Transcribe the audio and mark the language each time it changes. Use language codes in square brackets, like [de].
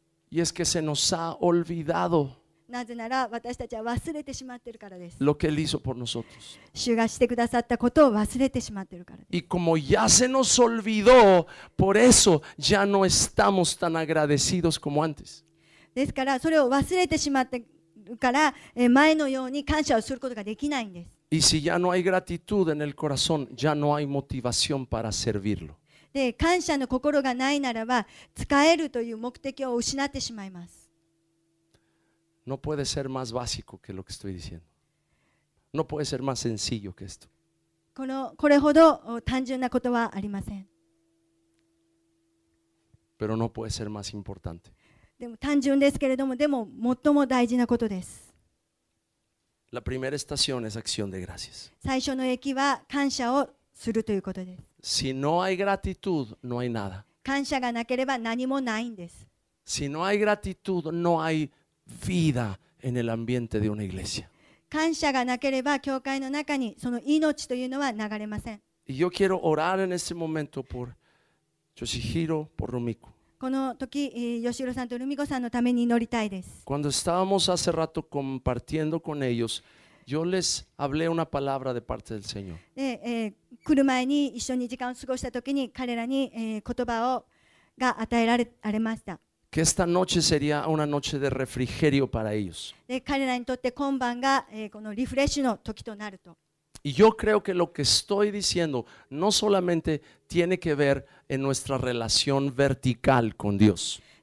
[es] Y es que se nos ha olvidado. [ja] なぜなら私たちは忘れてしまっているからです。 [es] Lo que él hizo por nosotros. [ja] 主がしてくださったことを忘れてしまっているからです。 [es] Y como ya se nos olvidó, por eso ya no estamos tan agradecidos como antes. [ja] ですからそれを忘れてしまっているから前のように感謝をすることができないんです。 [es] Y si ya no hay gratitud en el corazón, ya no hay motivación para servirlo. [ja] で感謝の心がないならば使えるという目的を失ってしまいます。 [es] No puede ser más básico que lo que estoy diciendo. No puede ser más sencillo que esto. [ja] これほど単純なことはありません。 [es] Pero no puede ser más importante. [ja] でも単純ですけれども、でも最も大事なことです。 [es] La primera estación es acción de gracias. [ja] 最初の駅は感謝をするということです。 [es] Si no hay gratitud, no hay nada. [ja] 感謝がなければ何もないんです。 [es] Si no hay gratitud, no hay vida en el ambiente de una iglesia. [ja] 感謝がなければ教会の中にその命というのは流れません。 [es] Y yo quiero orar en este momento por Yoshihiro, por Rumiko. [ja] この時、ヨシヒロさんとルミコさんのために祈りたいです。 [es] Cuando estábamos hace rato compartiendo con ellos, yo les hablé una palabra de parte del Señor. [ja] 来る前に一緒に時間を過ごした時に彼らに、言葉をが与えられました。 [es] Que esta noche sería una noche de refrigerio para ellos. [ja] 彼らにとって今晩が、このリフレッシュの時となると。 [es] Y yo creo que lo que estoy diciendo no solamente tiene que ver en nuestra relación vertical con Dios.